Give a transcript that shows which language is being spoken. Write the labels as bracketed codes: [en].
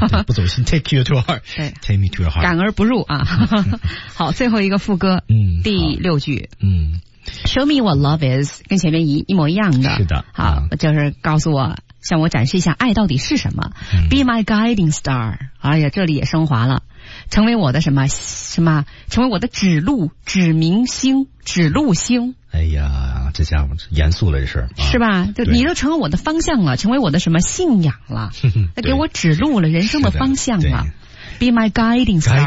[en] 嗯、 [zh] 不走心 [en] Take you to your heart， Take me to your heart， [zh] 感而不入啊好，最后一个副歌，嗯，第六句，嗯， [en] Show me what love is， [zh] 跟前面一模一样的，是的，好、嗯、就是告诉我，向我展示一下爱到底是什么、嗯、 [en] Be my guiding star， [zh] 哎呀，这里也升华了，成为我的什么什么，成为我的指路指明星指路星，哎呀，这家伙严肃了，这事是吧，就你都成为我的方向了，成为我的什么信仰了，那给我指路了，人生的方向了， [en] Be my guiding star，